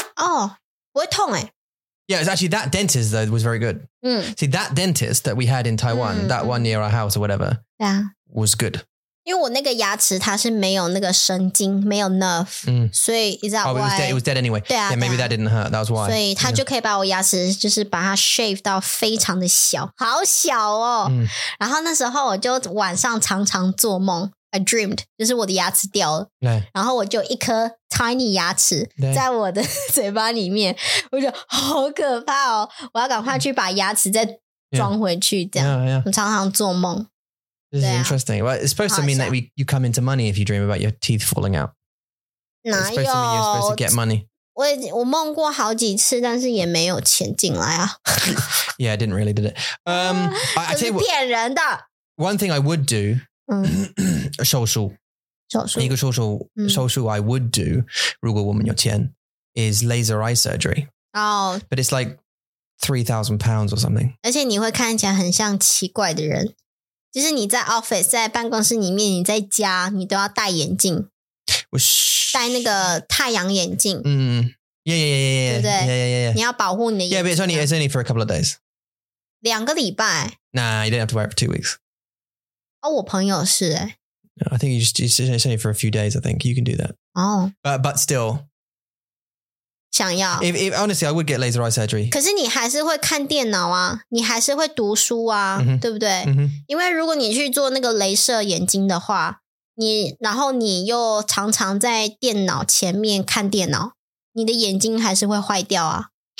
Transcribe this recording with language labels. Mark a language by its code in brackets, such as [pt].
[zh] 哦,不会痛耶。 [en] Yeah, it's actually that dentist though was very good. See, that dentist that we had in Taiwan, that one near our house or whatever, was good. [zh] 因为我那个牙齿它是没有那个神经,没有 nerve, 所以 [en] is that why? It was dead anyway. [zh] 对啊, [en] yeah, maybe that didn't hurt, that was why. [zh] 所以他就可以把我牙齿就是把它 shave到非常的小, 好小哦! 然后那时候我就晚上常常做梦, [en] I dreamed, [zh] 就是我的牙齿掉了, 然后我就一颗 tiny牙齿 在我的嘴巴里面, 我就好可怕哦, 我要赶快去把牙齿再装回去这样, 我常常做梦。 [en] This is interesting. Well, it's supposed to mean that you come into money if you dream about your teeth falling out. [zh] 哪有? [en] It's supposed to mean you're supposed to get money. [zh] 我梦过好几次，但是也没有钱进来啊。 [en] Yeah, I didn't really, did it? [zh] 这是骗人的。 [en] One thing I would do, [zh] 手术。手术。一个手术 [en] I would do, [zh] 如果我们有钱, [en] is laser eye surgery. Oh. But it's like £3,000 or something. [zh] 而且你会看起来很像奇怪的人。就是你在 office, 在办公室里面，你在家，你都要戴眼镜。戴那个太阳眼镜。 [en] Yeah. [zh] 对不对 [en] 睛。Yeah, but it's only for a couple of days. [zh] 两个礼拜。 [en] Nah, you don't have to wear it for 2 weeks. [zh] 哦，我朋友是诶。 [en] I think it's only for a few days, I think. You can do that. Oh. But still. [zh] 想要。 [en] If, honestly, I would get laser eye surgery. [zh] 可是你还是会看电脑啊，你还是会读书啊，对不对？因为如果你去做那个雷射眼睛的话，你然后你又常常在电脑前面看电脑，你的眼睛还是会坏掉啊。